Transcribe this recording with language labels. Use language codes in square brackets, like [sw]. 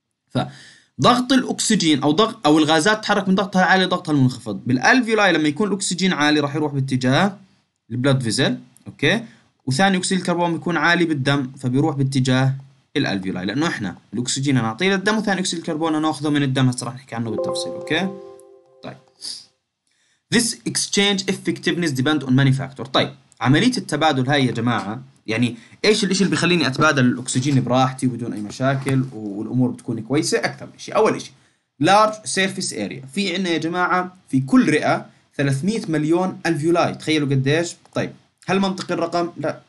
[ar] فضغط الاكسجين او ضغط او الغازات تحرك من ضغطها العالي لضغطها المنخفض، بالالفيولاي لما يكون الاكسجين عالي راح يروح باتجاه البلد فيزل اوكي، وثاني اكسيد الكربون يكون عالي بالدم فبيروح باتجاه الالفيولاي، لانه احنا الاكسجين نعطيه للدم وثاني اكسيد الكربون ناخذه من الدم، هسه راح نحكي عنه بالتفصيل اوكي. [en] طيب this exchange effectiveness depend on many factors. [ar] طيب عمليه التبادل هاي يا جماعه يعني ايش الاشي اللي بيخليني اتبادل الاكسجين براحتي بدون اي مشاكل والامور بتكون كويسه؟ اكثر شيء اول شيء لارج سيرفيس اريا، في عندنا يا جماعه في كل رئه 300 مليون الفيولاي، تخيلوا قديش. طيب هل منطقي الرقم؟ لا.